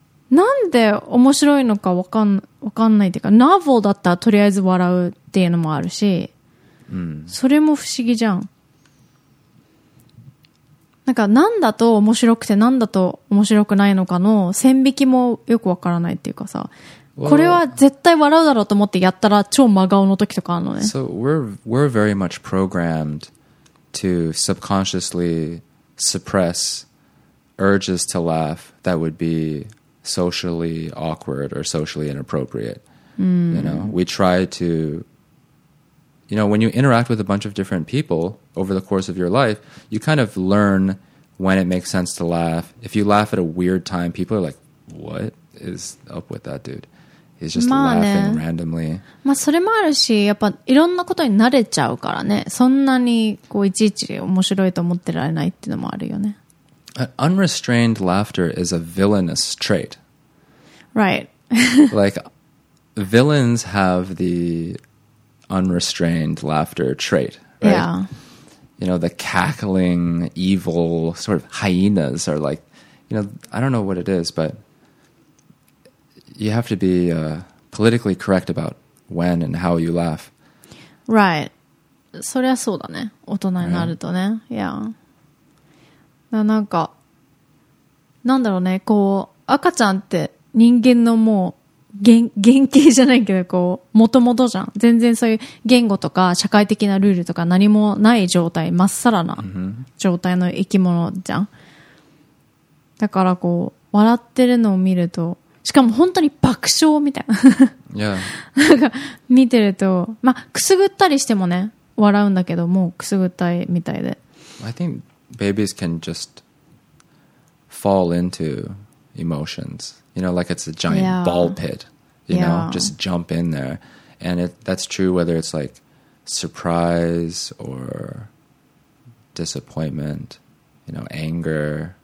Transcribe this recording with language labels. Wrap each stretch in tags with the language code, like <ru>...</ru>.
<ja>なんで面白いのかわかんないっていうかナーボーだったらとりあえず笑うっていうのもあるし、 mm. それも不思議じゃんなんかなんだと面白くてなんだと面白くないのかの線引きもよくわからないっていうかさ</ja> <en>Well,</en> <ja>これは絶対笑うだろうと思ってやったら超真顔の時とかあるのね。</ja> <en>So we're very much programmed to subconsciously suppress urges to laugh that would be socially awkward or socially inappropriate.、 Mm. You know, we try to, you know, when you interact with a bunch of different people over the course of your life, you kind of learn when it makes sense to laugh. If you laugh at a weird time, people are like, "What is up with that dude?" He's just laughing randomly.</en> <ja>まあそれもあるし、やっぱいろんなことに慣れちゃうからね。そんなにこういちいち面白いと思ってられないっていうのもあるよね。</ja> <en>Unrestrained laughter is a villainous trait. Right. like, villains have the unrestrained laughter trait, right? Yeah. You know, the cackling, evil sort of hyenas are like, you know, I don't know what it is, but... You have to be、politically correct about when and how you laugh. Right.</en> <ja>そりゃそうだね。大人になるとね。</ja> <en>Yeah.</en> <ja>なんか、なんだろうね。こう、赤ちゃんって人間のもう原型じゃないけど、こう、もともとじゃん。全然そういう言語とか社会的なルールとか何もない状態、まっさらな状態の生き物じゃん。だからこう、笑ってるのを見ると、しかも本当に爆笑みたいな。</ja> <en>Yeah.</en> <ja>なんか見てると、まあ、くすぐったりしてもね、笑うんだけど、もうくすぐったいみたいで。</ja> <en>I think babies can just fall into emotions. You know, like it's a giant、 yeah. ball pit. you know, just jump in there. And that's true whether it's like surprise or disappointment, you know, anger.</en>